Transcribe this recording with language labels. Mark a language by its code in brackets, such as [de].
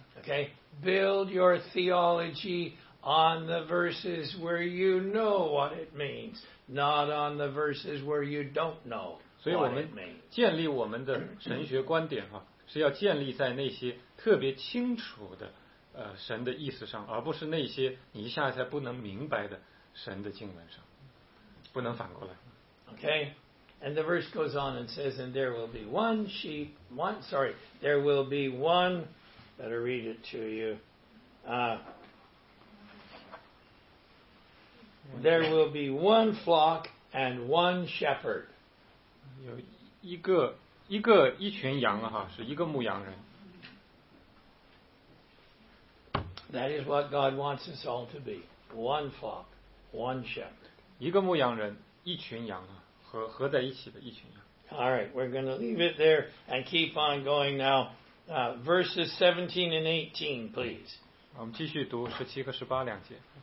[en] Okay, build your theology on the verses where you know what it means, not on the verses where you don't know what it means. [zh] 所以我们建立我们的神学观点啊，是要建立在那些特别清楚的神的意思上，而不是那些你一下才不能明白的神的经文上，不能反过来。 [en] Okay, and the verse goes on and says, and there will be one sheep, one, sorry, there will be one. Better read it to you. There will be one flock and one shepherd. [zh] 有一个一群羊啊，是一个牧羊人。 [en] That is what God wants us all to be. One flock, one shepherd. [zh] 一个牧羊人，一群羊啊，合在一起的一群羊。 [en] All right, we're going to leave it there and keep on going now. Verses 17 and 18, please. [zh] 我们继续读十七和十八两节。